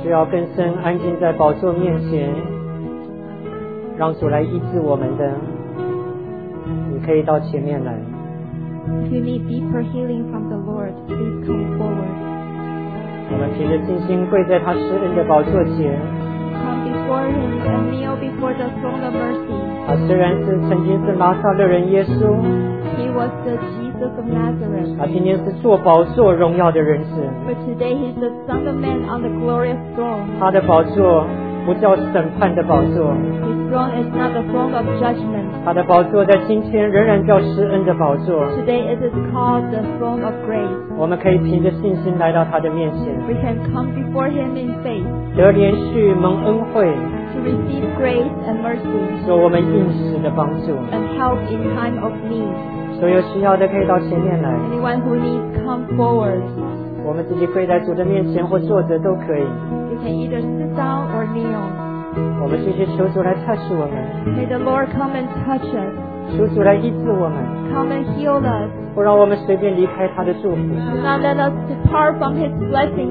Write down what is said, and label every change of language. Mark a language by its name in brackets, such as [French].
[Chinese] 更深安静在宝座面前让主来医治我们的你可以到前面来 [English] If you need deeper healing from the Lord please come forward [Chinese] 我们凭着信心跪在他施恩的宝座前 [English] Come before him and kneel before the throne of mercy [Chinese] 他虽然是曾经是拿撒勒人耶稣， [English] He was the Jesus of Nazareth， [Chinese] 他今天是坐宝座荣耀的人士， [English] But today he's the Son of Man on the glorious throne， [Chinese] 他的宝座不叫审判的宝座， [English] His throne is not the throne of judgment， [Chinese] 他的宝座在今天仍然叫施恩的宝座， [English] Today it is called the throne of grace， [Chinese] 我们可以凭着信心来到他的面前， [English] We can come before him in faith， [Chinese] 得连续蒙恩惠， [English] To receive grace and mercy， [Chinese] 做我们应时的帮助， [English] And help in time of need， [Chinese] 所有需要的可以到前面来， [English] Anyone who needs come forward， [Chinese] 我们自己跪在主的面前或坐着都可以， [English] Can either sit down or kneel. [Chinese] 我们继续求主来 touch 我们。 [English] May the Lord come and touch us. [Chinese] 求主来医治我们。 [English] Come and heal us. [Chinese] 不让我们随便离开他的祝福。 [English] Do not let us depart from His blessing